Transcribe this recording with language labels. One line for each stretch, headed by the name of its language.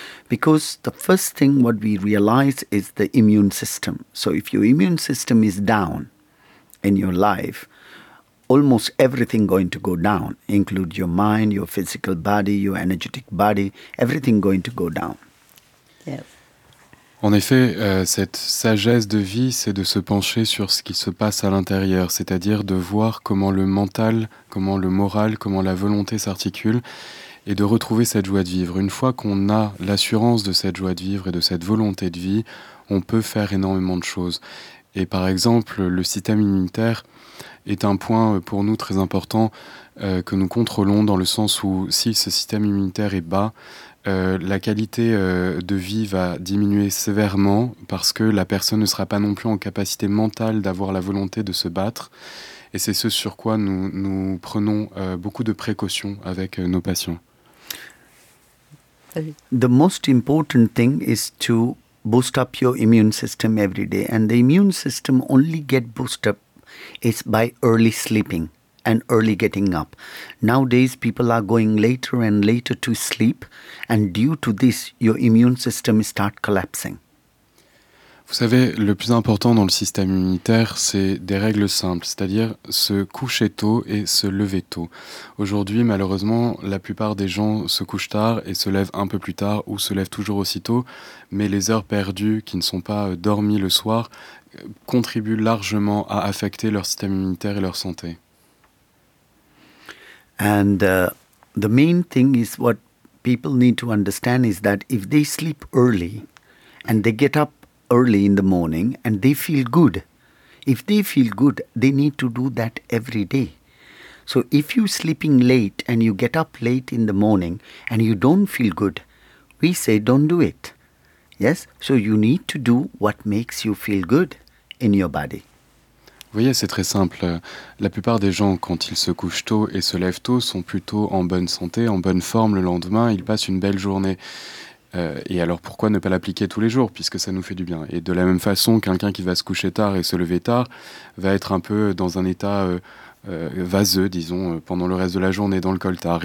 English: Because the first thing what we realize is the immune system. So if your immune system is down in your life, almost everything going to go down, include your mind, your physical body, your energetic body, everything going to go down. Yes.
French: En effet, cette sagesse de vie, c'est de se pencher sur ce qui se passe à l'intérieur, c'est-à-dire de voir comment le mental, comment le moral, comment la volonté s'articule, et de retrouver cette joie de vivre. Une fois qu'on a l'assurance de cette joie de vivre et de cette volonté de vie, on peut faire énormément de choses. Et par exemple, le système immunitaire est un point pour nous très important que nous contrôlons, dans le sens où si ce système immunitaire est bas, la qualité de vie va diminuer sévèrement parce que la personne ne sera pas non plus en capacité mentale d'avoir la volonté de se battre. Et c'est ce sur quoi nous prenons beaucoup de précautions avec nos patients.
English: The most important thing is to boost up your immune system every day. And the immune system only get boosted up is by early sleeping and early getting up. Nowadays, people are going later and later to sleep, and due to this, your immune system start collapsing.
French: Vous savez, le plus important dans le système immunitaire, c'est des règles simples, c'est-à-dire se coucher tôt et se lever tôt. Aujourd'hui, malheureusement, la plupart des gens se couchent tard et se lèvent un peu plus tard ou se lèvent toujours aussi tôt, mais les heures perdues qui ne sont pas dormies le soir contribuent largement à affecter leur système immunitaire et leur santé.
English: And the main thing is what people need to understand is that if they sleep early and they get up early in the morning and they feel good, if they feel good, they need to do that every day. So if you're sleeping late and you get up late in the morning and you don't feel good, we say don't do it. Yes? So you need to do what makes you feel good in your body.
French: Vous voyez, c'est très simple. La plupart des gens, quand ils se couchent tôt et se lèvent tôt, sont plutôt en bonne santé, en bonne forme le lendemain. Ils passent une belle journée. Et alors, pourquoi ne pas l'appliquer tous les jours, puisque ça nous fait du bien? Et de la même façon, quelqu'un qui va se coucher tard et se lever tard va être un peu dans un état vaseux, disons, pendant le reste de la journée, dans le coltard.